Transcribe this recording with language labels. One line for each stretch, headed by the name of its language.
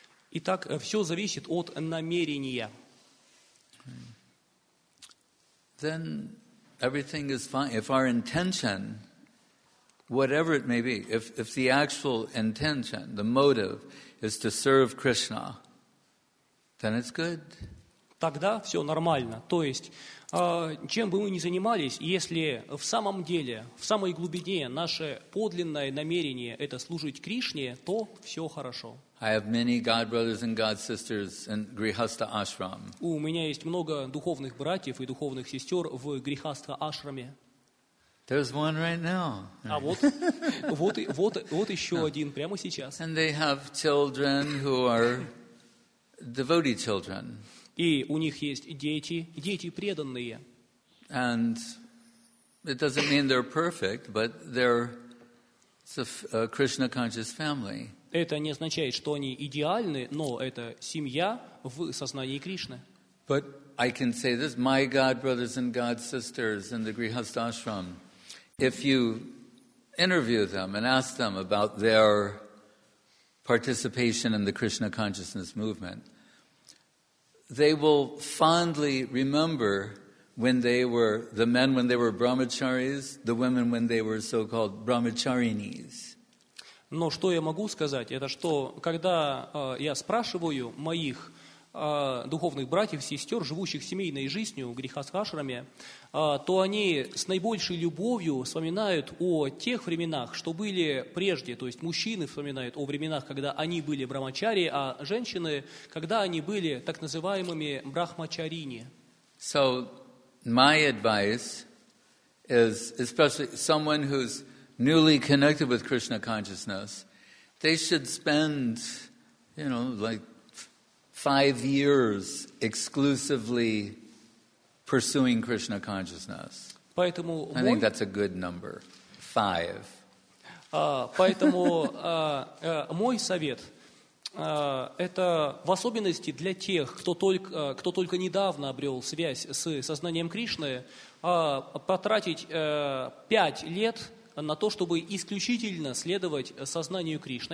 Russian: Итак, все зависит от намерения.
English: Then everything is fine if our intention, whatever it may be, if the actual intention, the motive, is to serve Krishna, then it's good.
Russian: Тогда все нормально. То есть, чем бы мы ни занимались, если в самом деле, в самой глубине наше подлинное намерение – это служить Кришне, то все хорошо.
English: I have many god brothers and god sisters in Grihastha Ashram.
Russian: У меня есть много духовных братьев и духовных сестер в Грихастха Ашраме.
English: There's one right now.
Russian: А вот еще один прямо сейчас.
English: And they have children who are devotee children.
Russian: И у них есть дети преданные.
English: And it doesn't mean they're perfect, but they're a Krishna conscious family.
Russian: Это не означает, что они идеальны, но это семья в сознании Кришны.
English: But I can say this, my god brothers and god sisters in the Grihastha Ashram, if you interview them and ask them about their participation in the Krishna consciousness movement, they will fondly remember when they were, the men when they were brahmacharis, the women when they were so-called brahmacharinis.
Russian: Но что я могу сказать, это что, когда я спрашиваю моих духовных братьев, сестер, живущих семейной жизнью в Грихастха Ашраме, то они с наибольшей любовью вспоминают о тех временах, что были прежде. То есть мужчины вспоминают о временах, когда они были брахмачари, а женщины, когда они были так называемыми брахмачарини.
English: So, my advice is, especially someone who's newly connected with Krishna consciousness, they should spend, you know, like 5 years exclusively pursuing Krishna consciousness.
Russian: Поэтому
English: I think that's a good number. 5.
Russian: Поэтому мой совет это в особенности для тех, кто только недавно обрел связь с сознанием Кришны, потратить 5 лет на то, чтобы исключительно следовать сознанию Кришны.